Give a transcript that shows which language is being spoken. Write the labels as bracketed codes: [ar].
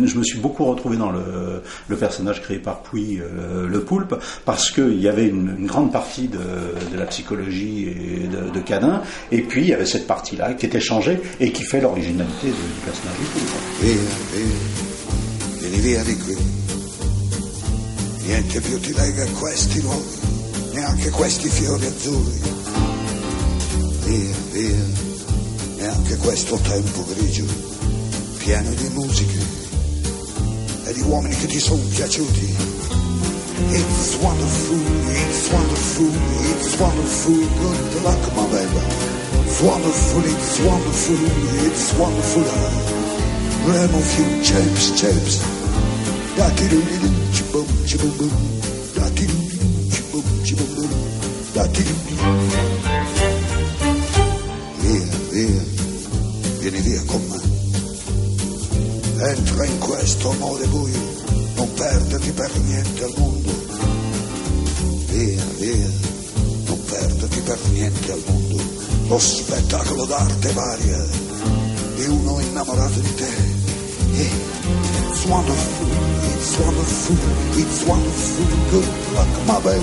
[fr] Je me suis beaucoup retrouvé dans le personnage créé par Pouy, le poulpe, parce qu'il y avait une grande partie de la psychologie et de Cadin, et puis il y avait cette partie-là qui était changée et qui fait l'originalité du personnage du poulpe. [it] Niente più ti lega a questi luoghi, neanche questi fiori azzurri. Via, via, neanche questo tempo grigio, pieno di musiche e di uomini che ti sono piaciuti. [en] It's wonderful, it's wonderful, good luck, my baby. It's wonderful, it's wonderful. Dream of you, James, James. Da-di-do-di-do. Boom, chiboom, boom, da-di-doo, chiboom, chiboom, boom, da-di-doo. [it] Via, via, vieni via con me. Entra in questo amore buio, non perderti per niente al mondo. Via, via, non perderti per niente al mondo. Lo spettacolo d'arte varia di uno innamorato di te. [en] It's wonderful. It's wonderful, it's wonderful, good luck, my baby.